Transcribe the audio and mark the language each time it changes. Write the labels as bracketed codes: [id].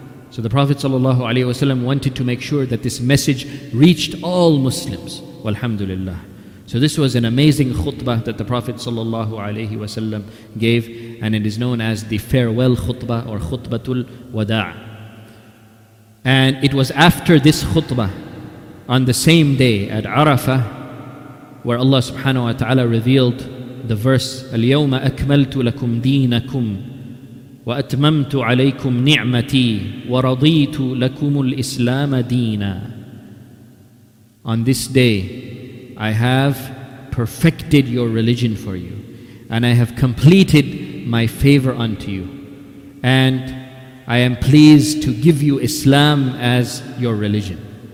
[en] So the Prophet ﷺ wanted to make sure that this message reached all Muslims. Walhamdulillah. So this was an amazing khutbah that the Prophet sallallahu alaihi wasallam gave, and it is known as the farewell khutbah or khutbatul wada'. And it was after this khutbah on the same day at Arafah, where Allah subhanahu wa ta'ala revealed the verse, [ar] اليوم أكملت لكم دينكم وأتممت عليكم نعمتي ورضيت لكم الإسلام دينا. [en] On this day, I have perfected your religion for you, and I have completed my favor unto you, and I am pleased to give you Islam as your religion.